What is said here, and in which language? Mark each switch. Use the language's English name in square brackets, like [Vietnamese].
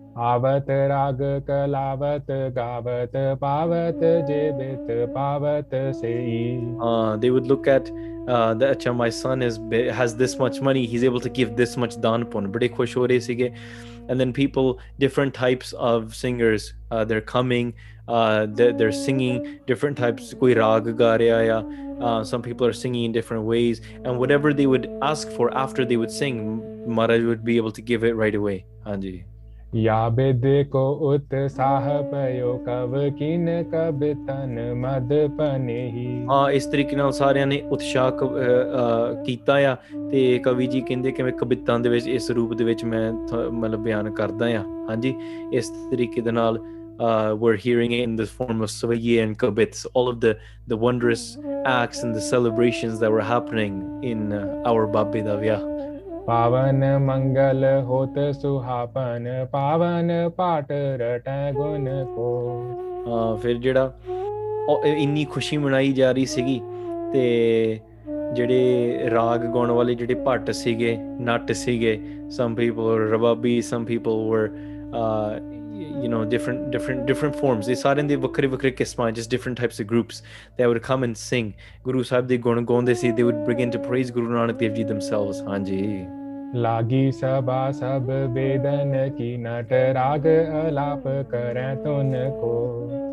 [Punjabi] Aavat raag kalaavat gaavat paavat jeevit paavat sei. [English] They would look at that, acha, my son has this much money, he's able to give this much daan pun, [Punjabi] bade khush ho rahe sige. [English] And then people, different types of singers, they're coming, they're singing different types, [Punjabi] koi raag ga reha ya, [English] some people are singing in different ways, and whatever they would ask for after they would sing, Maharaj would be able to give it right away. [Punjabi] Haanji. ਯਾਬਿਦ ਕੋ ਉਤਸਾਹ ਪਯੋ ਕਵ ਕਿਨ ਕਬ ਤਨ ਮਦ ਪਨੇਹੀ. ਹਾਂ, ਇਸ ਤਰੀਕੇ ਨਾਲ ਸਾਰਿਆਂ ਨੇ ਉਤਸ਼ਾਹ ਕੀਤਾ ਆ, ਤੇ ਕਵੀ ਜੀ ਕਹਿੰਦੇ ਕਿਵੇਂ ਕਵਿਤਾ ਦੇ ਵਿੱਚ ਇਸ ਰੂਪ ਦੇ ਵਿੱਚ ਮੈਂ ਮਤਲਬ ਬਿਆਨ ਕਰਦਾ ਆ. ਹਾਂਜੀ, ਇਸ ਤਰੀਕੇ ਦੇ ਨਾਲ [English] we're hearing it in the form of swayee and kabits, all of the wondrous acts and the celebrations that were happening in our [Punjabi] babbe da vyah. ਪਾਵਨ ਮੰਗਲ ਹੋਤ ਸੁਹਾਪਨ ਪਾਵਨ ਪਾਟ ਰਟੈ ਗੁਣ ਕੋ. ਹਾਂ, ਫਿਰ ਜਿਹੜਾ ਇੰਨੀ ਖੁਸ਼ੀ ਮਨਾਈ ਜਾ ਰਹੀ ਸੀਗੀ, ਤੇ ਜਿਹੜੇ ਰਾਗ ਗਾਉਣ ਵਾਲੇ ਜਿਹੜੇ ਭੱਟ ਸੀਗੇ, ਨੱਟ ਸੀਗੇ, [English] Some people Rababi, some people were you know, different forms. They saw in the [Punjabi] vakre vakre kisma, [English] just different types of groups that would come and sing. Guru Sahib, they gonna go and they say they would begin to praise Guru Nanak Dev Ji themselves. [Punjabi] Hanji. Lagi sabha sab bedan ki nat rag alap kare tun ko.